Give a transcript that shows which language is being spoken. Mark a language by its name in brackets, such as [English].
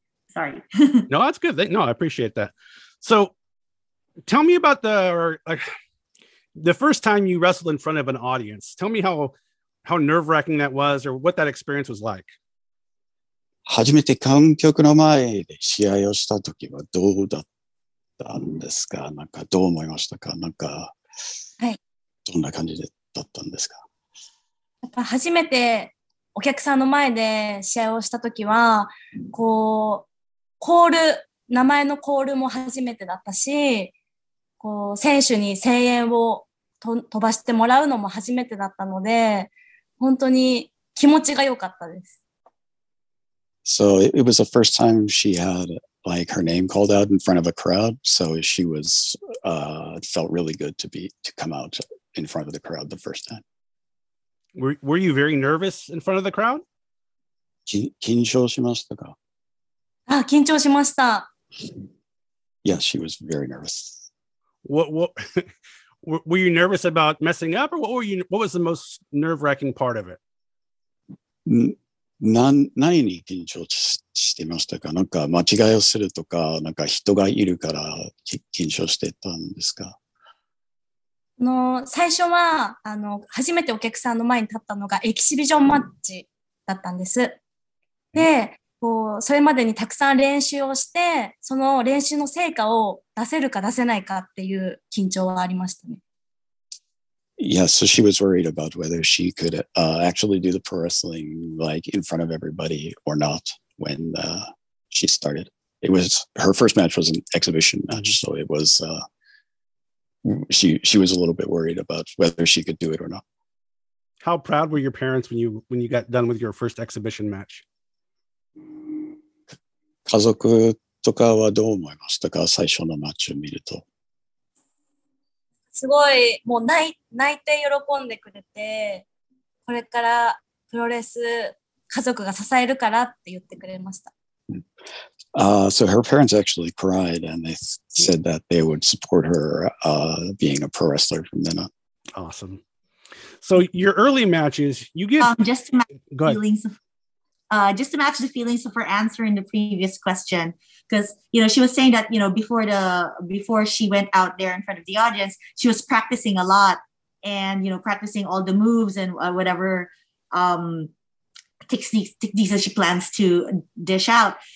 [English] Sorry. No, that's good. No, I appreciate that. So tell me about the first time you wrestled in front of an audience. Tell me how nerve-wracking that was, or what that experience was like. [Japanese] 初めて観客の前で試合をした時はどうだったんですか？なんかどう思いましたか？なんか、はい、どんな感じだったんですか？やっぱ初めてお客さんの前で試合をした時は、こうコール、名前のコールも初めてだったし、こう選手に声援を飛ばしてもらうのも初めてだったので。本当に気持ちが良かったです。 [English] So it was the first time she had like her name called out in front of a crowd. So she was felt really good to come out in front of the crowd the first time. Were you very nervous in front of the crowd? [Japanese] 緊張しましたか？あ、緊張しました。 [English] Yes, she was very nervous. What? Were you nervous about messing up, or what was the most nerve-wracking part of it? [Japanese] 何に緊張してましたか？なんか間違いをするとか、なんか人がいるから緊張してたんですか？最初は初めてお客さんの前に立ったのがエキシビジョンマッチだったんです。で、こうそれまでにたくさん練習をして、その練習の成果を出せるか出せないかっていう緊張はありましたね。 [English] Yeah, so she was worried about whether she could actually do the pro wrestling like in front of everybody or not when she started. It was her first match was an exhibition match, so it was she was a little bit worried about whether she could do it or not. How proud were your parents when you got done with your first exhibition match? [Japanese] 家族とかはどう思いましたか？最初のマッチを見るとすごいもう泣いて喜んでくれて、これからプロレス家族が支えるからって言ってくれました。 [English] So her parents actually cried and they said that they would support her being a pro wrestler from then on. Awesome. So your early matches, you get just my feelings of just to match the feelings of her answering the previous question, because you know she was saying that before she went out there in front of the audience, she was practicing a lot and practicing all the moves and whatever techniques that she plans to dish out.